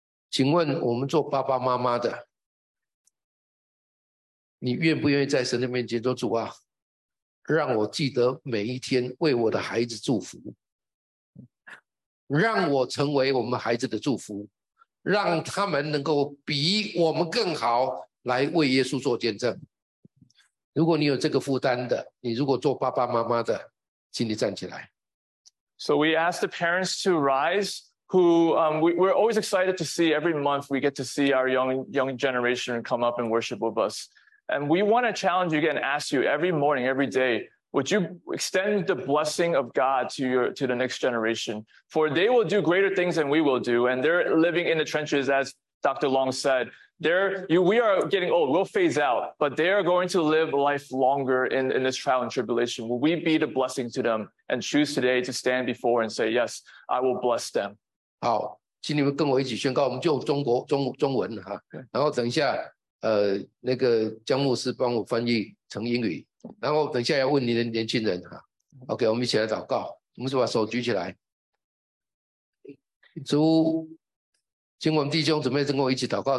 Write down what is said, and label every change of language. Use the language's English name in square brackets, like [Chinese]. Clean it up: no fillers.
[Chinese] 请问我们做爸爸妈妈的，你愿不愿意在神的面前说，主啊，让我记得每一天为我的孩子祝福，让我成为我们孩子的祝福，让他们能够比我们更好，来为耶稣做见证。如果你有这个负担的，你如果做爸爸妈妈的，请你站起来。 [English] So we ask the parents to rise, who we're always excited to see every month we get to see our young generation come up and worship with us. And we want to challenge you again, ask you every morning, every day, would you extend the blessing of God to the next generation? For they will do greater things than we will do. And they're living in the trenches, as Dr. Long said. We are getting old. We'll phase out. But they are going to live life longer in this trial and tribulation. Will we be the blessing to them and choose today to stand before and say, yes, I will bless them? [Chinese] 好，请你们跟我一起宣告，我们就中文哈，然后等一下那个江牧师帮我翻译成英语，然后等一下要问你的年轻人哈。 OK， 我们一起来祷告，我们就把手举起来。主，请我们弟兄姊妹跟我一起祷告。